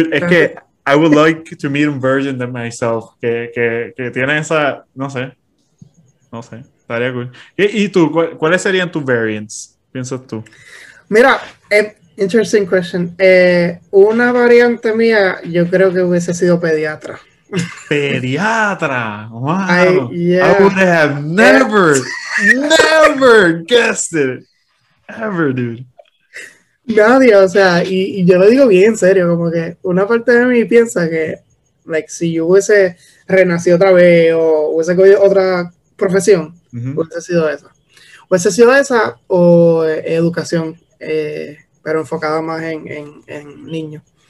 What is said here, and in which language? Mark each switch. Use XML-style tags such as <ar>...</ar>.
<en>dude,</en> <es>es que</es> <en>I would like to meet a version of myself</en> <es>que tiene esa, no sé, estaría</es> <en>cool.</en> <es>Y tú, ¿cuáles serían tus variants, piensas tú?</es> <en>Mira, interesting question.</en> <es>Una variante mía, yo creo que hubiese sido pediatra. Pediatra, wow.</es> <en>I would have never guessed it ever, dude.</en> <es>Nadie, o sea, y yo lo digo bien en serio, como que una parte de mí piensa que, like, si yo hubiese renacido otra vez o hubiese cogido otra profesión, hubiese sido esa o educación, pero enfocada más en niños.</es>